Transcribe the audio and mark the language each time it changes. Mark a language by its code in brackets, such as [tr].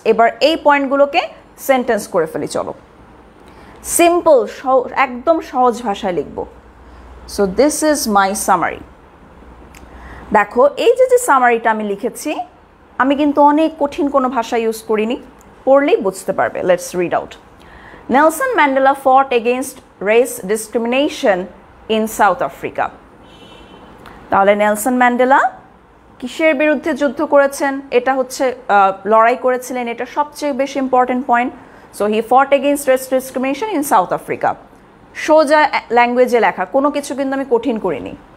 [bn] এবার এই পয়েন্টগুলোকে সেন্টেন্স করে ফেলি। চলো সিম্পল একদম সহজ ভাষায় লিখব। [en] So this is my summary. [bn] দেখো এই যে সামারিটা আমি লিখেছি, আমি কিন্তু অনেক কঠিন কোনো ভাষা ইউজ করিনি, পড়লেই বুঝতে পারবে। [en] Let's read out. Nelson Mandela fought against race discrimination in South Africa. [bn] তাহলে Nelson Mandela কিসের বিরুদ্ধে যুদ্ধ করেছেন, এটা হচ্ছে লড়াই করেছিলেন, এটা সবচেয়ে বেশি ইম্পর্টেন্ট পয়েন্ট। [en] So he fought against race discrimination in South Africa. [bn] সোজা ল্যাঙ্গুয়েজে লেখা, কোনো কিছু কিন্তু আমি কঠিন করিনি।